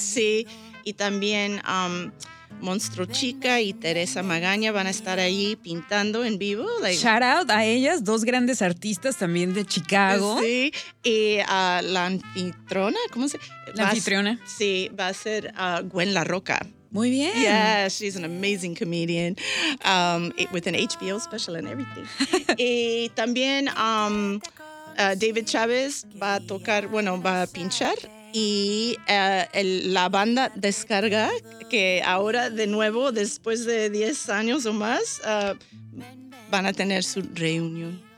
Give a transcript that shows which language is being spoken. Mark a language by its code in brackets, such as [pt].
[es] Sí, y también Monstruo Chica y Teresa Magaña van a estar ahí pintando en vivo. Shout out a ellas, 2 grandes artistas también de Chicago. Sí, y a la anfitriona, ¿cómo se llama? La anfitriona. Sí, va a ser Gwen La Roca. Muy bien. [en] Yeah, she's an amazing comedian with an HBO special and everything. [es] Y también David Chávez va a tocar, bueno, va a pinchar. Y la banda Descarga, que ahora de nuevo, después de 10 años o más, van a tener su reunión.